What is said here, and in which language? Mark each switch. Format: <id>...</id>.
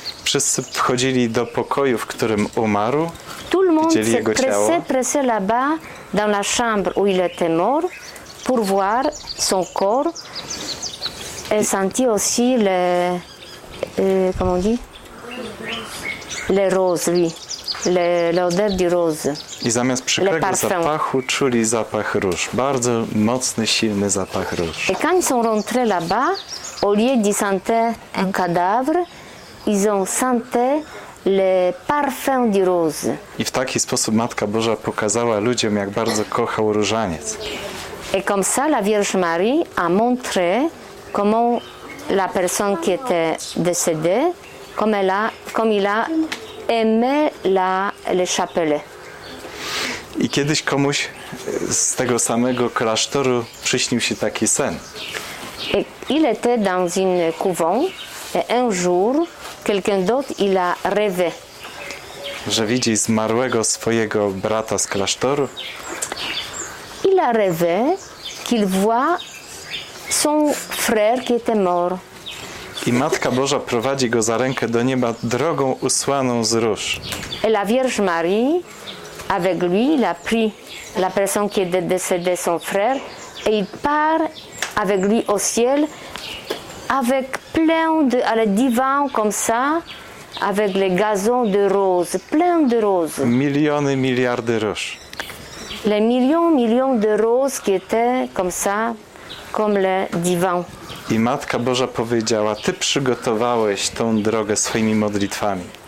<pl>Wszyscy wchodzili do pokoju, w którym umarł.</pl> <fr>Tout le monde se pressait là-bas dans la chambre où il était mort pour voir son corps et sentir aussi les roses, oui. L'odeur de rose.</fr> <pl>I zamiast przykrego zapachu czuli zapach róż. Bardzo mocny, silny zapach róż.</pl> <fr>Et quand ils sont rentrés là-bas, au lieu de sentir un cadavre, ils ont senti le parfum de rose.</fr> <pl>I w taki sposób Matka Boża pokazała ludziom, jak bardzo kochał różaniec.</pl> <fr>Et comme ça, la Vierge Marie a montré comment la personne qui était décédée, comme il a aimé le chapelet.</fr> <pl>I kiedyś komuś z tego samego klasztoru przyśnił się taki sen.</pl> <fr>Il était dans une couvent et un jour quelqu'un d'autre il a rêvé.</fr> <pl>Że widzi zmarłego swojego brata z klasztoru.</pl> <fr>Il a rêvé qu'il voit son frère qui était mort.</fr> <pl>I Matka Boża prowadzi go za rękę do nieba drogą usłaną z róż.</pl> <fr>Et la Vierge Marie avec lui, il a pris la personne qui est décédée, son frère, et il part avec lui au ciel, avec plein de, à le divan comme ça, avec les gazons de roses, plein de roses.</fr> <pl>Miliony, miliardy róż.</pl> <fr>Les millions, millions de roses qui étaient comme ça, comme le divan.</fr> <pl>I Matka Boża powiedziała, ty przygotowałeś tą drogę swoimi modlitwami.</pl>